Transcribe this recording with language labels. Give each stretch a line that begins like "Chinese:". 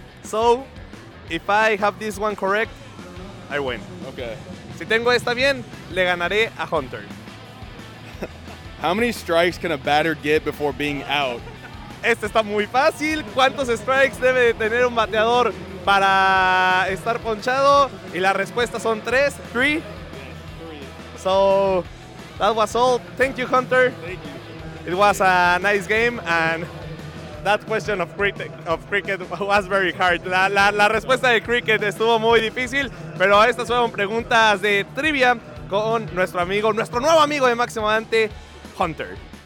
English: So, if I have this one correct, I win. Okay.
Spanish: Si tengo esta bien, le ganaré a Hunter.
English: How many strikes can a batter get before being out?
Spanish: Este está muy fácil. ¿Cuántos strikes debe tener un bateador para estar ponchado? Y la respuesta son tres.
English: Three. So, that was all. Thank you, Hunter. Thank you. It was a nice game and that question of cricket was very hard.
Spanish: La respuesta de cricket estuvo muy difícil, pero estas fueron preguntas de trivia con nuestro nuevo amigo de Máximo Avance, Hunter.